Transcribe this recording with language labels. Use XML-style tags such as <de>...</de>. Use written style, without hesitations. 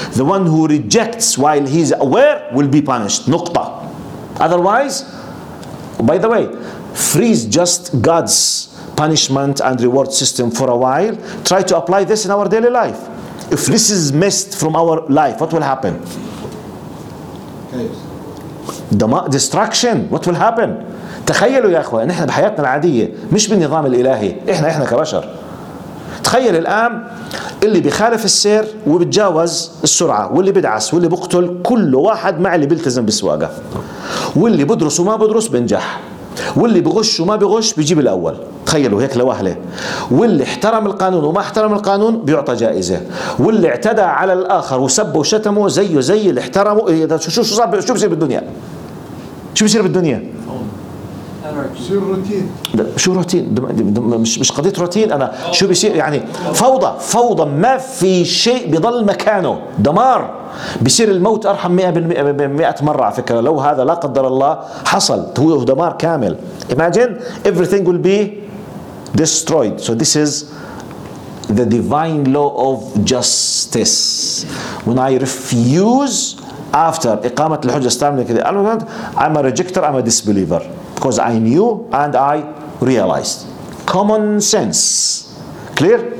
<en>The one who rejects while he's aware will be punished. Nukta. Otherwise, by the way, freeze just God's punishment and reward system for a while. Try to apply this in our daily life. If this is missed from our life, what will happen? Destruction. What will happen?</en> <ar>تخيلوا يا أخوة, نحن بحياتنا العادية مش بالنظام الإلهي. إحنا كبشر. تخيل الآن اللي بيخالف السير وبتجاوز السرعة, واللي بدعس واللي بقتل, كل واحد مع اللي بيلتزم بالسواقة, واللي بدرس وما بدرس بنجح, واللي بغش وما بغش بيجيب الأول. تخيلوا هيك لوهلة. واللي احترم القانون وما احترم القانون بيعطى جائزة, واللي اعتدى على الآخر وسبه وشتمه زيه زي اللي احترمه. شو بصير بالدنيا؟ شو بصير بالدنيا؟ شو روتين؟ شو روتين؟ مش قضية روتين. أنا شو بيصير يعني فوضى. ما في شيء بيضل مكانه. دمار. بيصير الموت أرحم 100% مئة مرة على فكرة. لو هذا لا قدر الله حصل, هو دمار كامل.</ar> <en>Imagine everything will be destroyed. So this is the divine law of justice. When I refuse after</en> <ar>إقامة الحجة استعملة كده,</ar> <en>I'm a rejecter, I'm a disbeliever. Because I knew and I realized. Common sense. Clear?</en>